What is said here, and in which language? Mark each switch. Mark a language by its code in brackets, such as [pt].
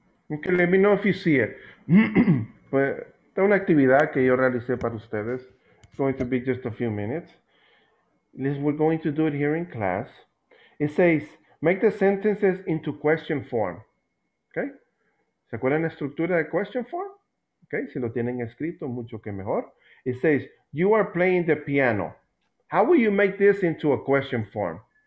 [en] Okay, let me know if you see it. But [es] una actividad que yo realicé para ustedes. [en] It's going to be just a few minutes. Liz, we're going to do it here in class. It says, make the sentences into question form. [es] Okay? ¿Se acuerdan la estructura de question form? Okay, si lo tienen escrito, mucho que mejor. [en] It says, you are playing the piano. How will you make this into a question form?